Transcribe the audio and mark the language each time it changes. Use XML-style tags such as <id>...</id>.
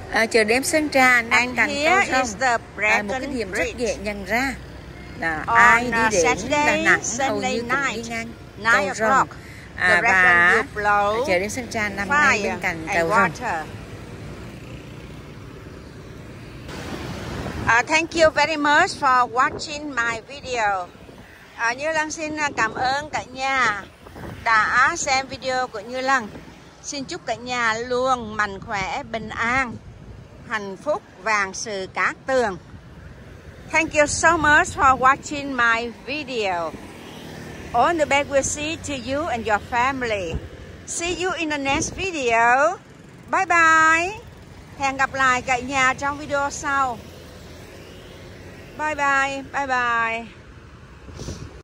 <vi>Chợ đêm Sơn Trà đang cạnh cầu sông.</vi> <en>Here is the Bracken</en> <vi>Bridge. Một cái điểm rất dễ nhận ra. Là ai đi đến Đà Nẵng hầu như cũng đi ngang cầu sông. Và chợ đêm Sơn Trà nằm ngay bên cạnh cầu sông.</vi> <en>Thank you very much for watching my video.</en> <vi>Như Lăng xin cảm ơn cả nhà đã xem video của Như Lăng. Xin chúc cả nhà luôn mạnh khỏe, bình an, hạnh phúc và sự cát tường.</vi> <en>Thank you so much for watching my video. All the best wishes to you and your family. See you in the next video. Bye bye.</en> <vi>Hẹn gặp lại cả nhà trong video sau.</vi> <en>Bye bye, bye bye.</en>